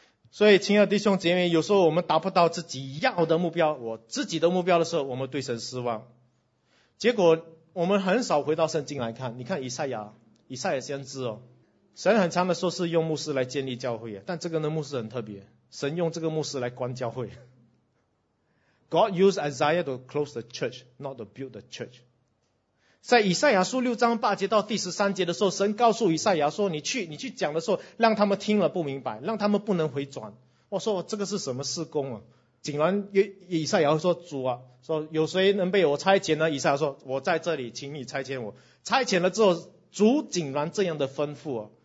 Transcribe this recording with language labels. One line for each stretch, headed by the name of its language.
Chinese: 所以亲爱的弟兄姐妹，有时候我们达不到自己要的目标，我自己的目标的时候我们对神失望。结果我们很少回到圣经来看，你看以赛亚先知哦，神很长的说是用牧师来建立教会，但这个呢牧师很特别，神用这个牧师来关教会。
English: God used Isaiah to close the church, not to build the church。
Chinese: 在以赛亚书6:8到13的时候，神告诉以赛亚说，你去讲的时候让他们听了不明白，让他们不能回转。我说这个是什么事工啊？竟然以赛亚说，主啊，说有谁能被我差遣呢？以赛亚说，我在这里，请你差遣我。差遣了之后主竟然这样的吩咐啊！